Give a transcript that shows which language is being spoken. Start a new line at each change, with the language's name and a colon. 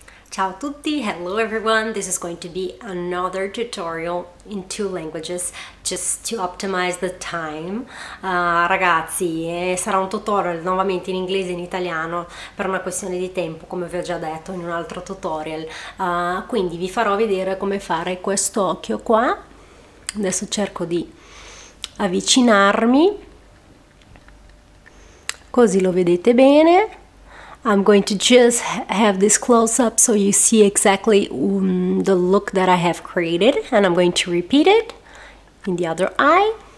Italian: Ciao a tutti,
English: hello everyone, this is going to be another tutorial in two languages just to optimize the time.
Italian: Ragazzi, sarà un tutorial nuovamente in inglese e in italiano per una questione di tempo, come vi ho già detto in un altro tutorial. Quindi vi farò vedere come fare questo occhio qua. Adesso cerco di avvicinarmi, così lo vedete bene.
English: I'm going to just have this close up so you see exactly the look that I have created, and I'm going to repeat it in the other eye.